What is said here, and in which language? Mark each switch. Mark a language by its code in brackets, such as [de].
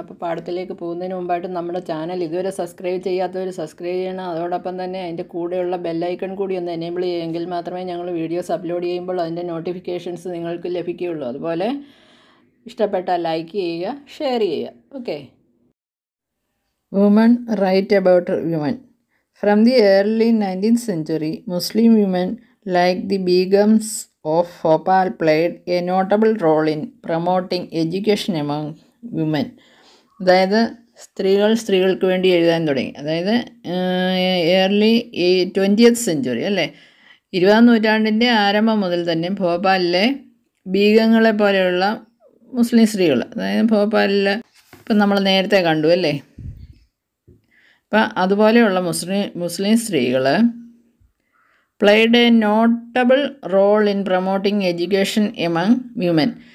[ml] അപ്പോൾ പാഠത്തിലേക്ക് പോകുന്നതിന് മുമ്പായിട്ട് നമ്മുടെ ചാനൽ ഇതുവരെ സബ്സ്ക്രൈബ് ചെയ്യാത്തവർ സബ്സ്ക്രൈബ് ചെയ്യണം. അതോടൊപ്പം തന്നെ അതിൻ്റെ കൂടെയുള്ള ബെല്ലൈക്കൺ കൂടി ഒന്ന് എനേബിൾ ചെയ്യുമെങ്കിൽ മാത്രമേ ഞങ്ങൾ വീഡിയോസ് അപ്ലോഡ് ചെയ്യുമ്പോൾ അതിൻ്റെ നോട്ടിഫിക്കേഷൻസ് നിങ്ങൾക്ക് ലഭിക്കുകയുള്ളൂ. അതുപോലെ ഇഷ്ടപ്പെട്ട ലൈക്ക് ചെയ്യുക, ഷെയർ ചെയ്യുക. [en] Okay, woman write about woman. From the early 19th century, Muslim women like the Begums of Bhopal played a notable role in promoting education among women. [ml] അതായത് സ്ത്രീകൾ സ്ത്രീകൾക്ക് വേണ്ടി എഴുതാൻ തുടങ്ങി. അതായത് [en] early 20th century [ml] അല്ലേ, 20th നൂറ്റാണ്ടിൻ്റെ ആരംഭം മുതൽ തന്നെ ഭോപ്പാലിലെ ബീഗങ്ങളെ പോലെയുള്ള മുസ്ലിം സ്ത്രീകൾ, അതായത് ഭോപ്പാലിൽ ഇപ്പം നമ്മൾ നേരത്തെ കണ്ടു അല്ലേ, അപ്പം അതുപോലെയുള്ള മുസ്ലിം സ്ത്രീകൾ [en] Played a notable role in promoting education among women.